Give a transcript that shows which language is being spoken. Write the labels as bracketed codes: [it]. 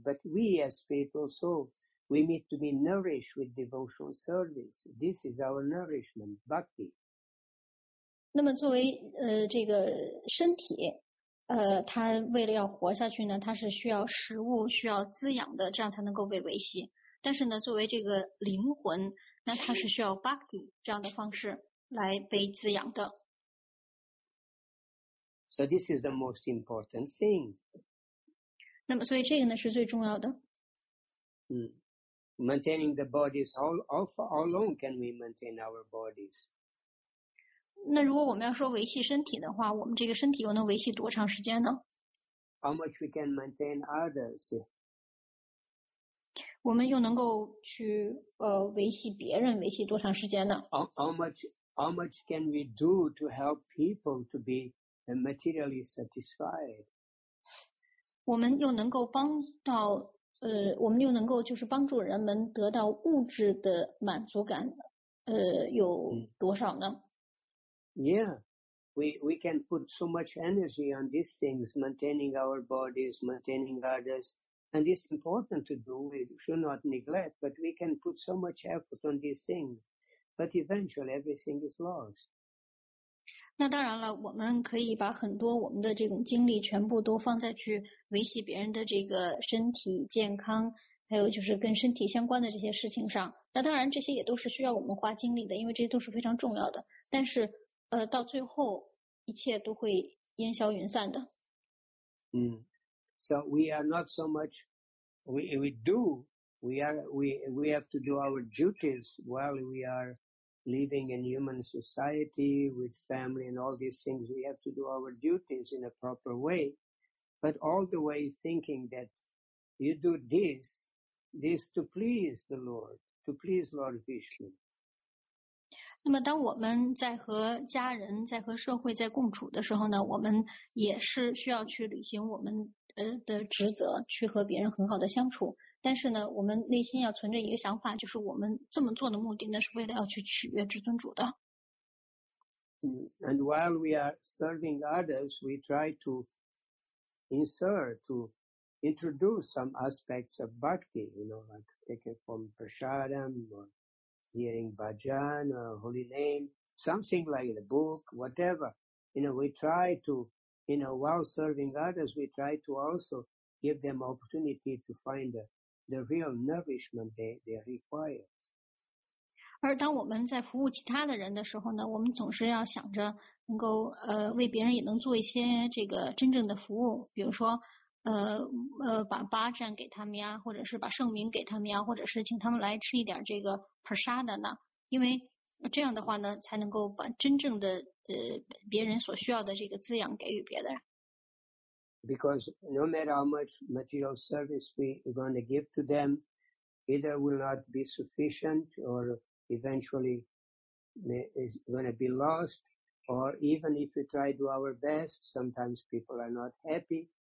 [en] But we as spiritual soul, we need to be nourished with devotional service. This is our nourishment, bhakti. [zh] 那么作为这个身体它为了要活下去呢，它是需要食物需要滋养的，这样才能够被维系。但是呢作为这个灵魂，那它是需要 bhakti 这样的方式来被滋养的。 [en] So this is the most important thing. [zh] 那么所以这个呢是最重要的。 [en] Maintaining the bodies, how long can we maintain our bodies? [zh] 那如果我们要说维系身体的话，我们这个身体又能维系多长时间呢？ [en] How much we can maintain others? [zh] 我们又能够去维系别人维系多长时间呢？ [en] How much can we do to help people to be materially satisfied? [zh] 我们又能够帮到我们又能够就是帮助人们得到物质的满足感有多少呢？ [en] Yeah, we can put so much energy on these things, maintaining our bodies, maintaining others, and it's important to do, we should not neglect, but we can put so much effort on these things, but eventually everything is lost. [zh] 那当然了，我们可以把很多我们的这种精力全部都放在去维系别人的这个身体健康，还有就是跟身体相关的这些事情上，那当然这些也都是需要我们花精力的，因为这些都是非常重要的，但是到最后一切都会烟消云散的。 [en] So we are not so much, we do, we have to do our duties while we are living in human society with family and all these things, we have to do our duties in a proper way. But all the way thinking that you do this to please the Lord, to please Lord Vishnu. [zh] 那么当我们在和家人在和社会在共处的时候呢，我们也是需要去履行我们的职责，去和别人很好的相处。但是呢，我们内心要存着一个想法，就是我们这么做的目的呢，是为了要去取悦至尊主的。 [en] And while we are serving others, we try to insert, to introduce some aspects of bhakti, you know, like taking from prasadam or hearing bhajan or holy name, something like the book, whatever. You know, we try to, you know, while serving others, we try to also give them opportunity to find the real nourishment they require. [zh] 而当我们在服务其他的人的时候呢，我们总是要想着能够为别人也能做一些这个真正的服务，比如说把巴占给他们呀，或者是把圣名给他们呀，或者是请他们来吃一点这个 prasada 呢，因为这样的话呢，才能够把真正的别人所需要的这个滋养给予别的人。 [en] Because no matter how much material service we are going to give to them, either will not be sufficient or eventually is going to be lost, or even if we try to do our best, sometimes people are not happy.